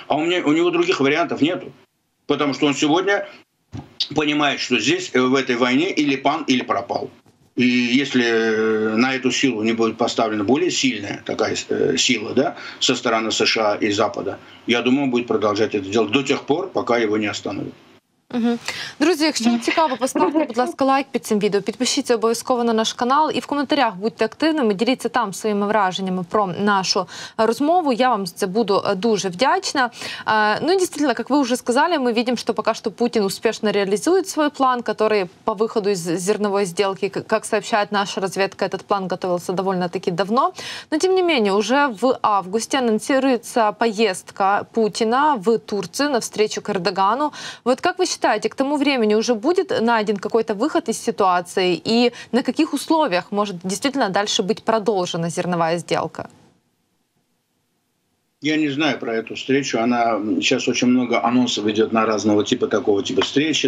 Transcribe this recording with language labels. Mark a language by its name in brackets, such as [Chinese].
[Russian] А у него других вариантов нету. Потому что он сегодня... понимает, что здесь, в этой войне, или пан, или пропал. И если на эту силу не будет поставлена более сильная такая сила, да, со стороны США и Запада, я думаю, он будет продолжать это делать до тех пор, пока его не остановят. [Ukrainian] Друзі, якщо вам цікаво, поставте, будь ласка, лайк під цим відео, підпишіться обов'язково на наш канал і в коментарях будьте активними, діліться там своїми враженнями про нашу розмову. Я вам за це буду дуже вдячна. Ну, дійсно, як ви вже сказали, ми видим, що поки що Путін успішно реалізує свій план, який по виходу з зернової зділки, як сообщає наша розвідка, цей план готувався доволі-таки давно. Но, тим не менше, вже в августі анонсується поїздка Путіна в Турцію на зустрічу к Ердогану. [Russian] От як ви считаете, к тому времени уже будет найден какой-то выход из ситуации и на каких условиях может действительно дальше быть продолжена зерновая сделка? Я не знаю про эту встречу. Она сейчас очень много анонсов идет на разного типа такого типа встречи.